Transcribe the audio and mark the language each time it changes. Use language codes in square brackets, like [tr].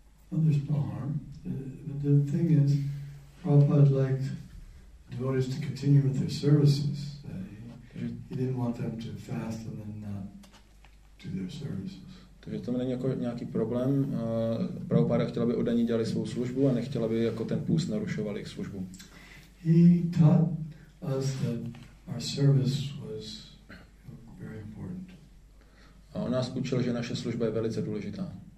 [en] Well, there's no harm. The thing is, Prabhupada liked devotees to continue with their services. He didn't want them to fast and then not do their services. [cs] Takže to není jako nějaký problém. Prabhupada chtěl, aby oddaní dělali svou službu a nechtěl, aby jako ten půst narušoval jejich službu. [en] He taught us that our service was very important. [cs] A on nás učil, že naše služba je velice důležitá.